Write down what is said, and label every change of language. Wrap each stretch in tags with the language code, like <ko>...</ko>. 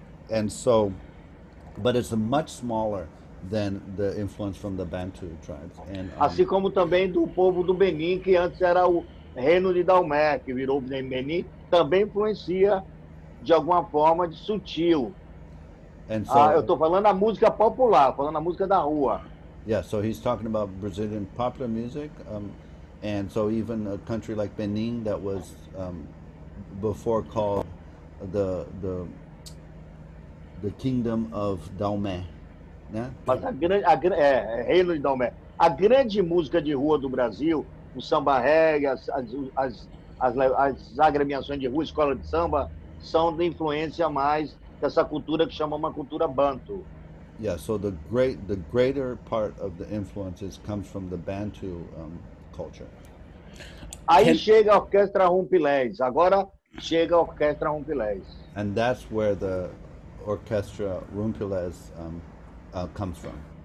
<en>And so, but it's much smaller than the influence from the Bantu tribes. And</en> <pt>assim como também do povo do Benin, que antes era o reino de Dalmé, que virou Benin, também influencia de alguma forma de sutil.</pt> <en>And so,</en> <pt>eu estou falando a música popular, falando a música da rua.</pt> <en>Yeah, so he's talking about Brazilian popular music, and so even a country like Benin that was before called the kingdom of Dalmé, né?</en> <pt>Mas reino de Dalmé. A grande música de rua do Brasil, o samba reggae, as agremiações de rua, escola de samba, são de influência mais dessa cultura que chamamos uma cultura Bantu.</pt> <en>Yeah, so the greater part of the influences comes from the Bantu culture.</en> <pt>Aí chega a Orquestra Rumpilezz. Agora chega a Orquestra Rumpilezz.</pt> <en>And that's where the Orkestra Rumpilezz comes from.</en>